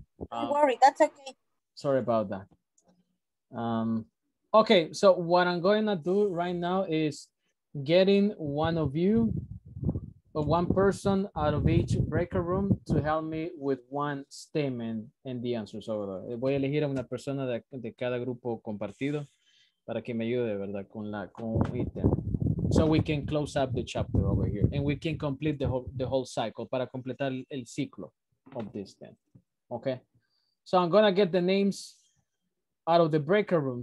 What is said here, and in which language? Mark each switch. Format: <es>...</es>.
<en>Don't worry, that's okay. Sorry about that. Okay, so what I'm going to do right now is getting one of you, or one person out of each breaker room to help me with one statement and the answers over there.</en> <es>Voy a elegir a una persona de cada grupo compartido. Para que me ayude, ¿verdad? Con item.</es> <en>So we can close up the chapter over here. And we can complete the whole cycle.</en> <es>Para completar el ciclo</es> <en>of this then.</en> <es>Okay.</es> <en>So I'm going to get the names out of the breaker room.</en>